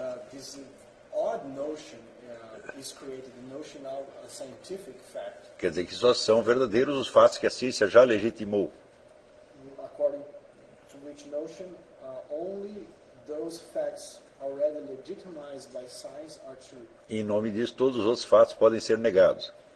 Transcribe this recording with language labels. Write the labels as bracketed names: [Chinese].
[English] This odd notion is created, the notion of a scientific fact. [Portuguese] Quer dizer que só são verdadeiros os fatos que a ciência já legitimou. [English] According to which notion, only those facts already legitimized by science are true. [Portuguese] Em nome disso, todos os outros fatos podem ser negados.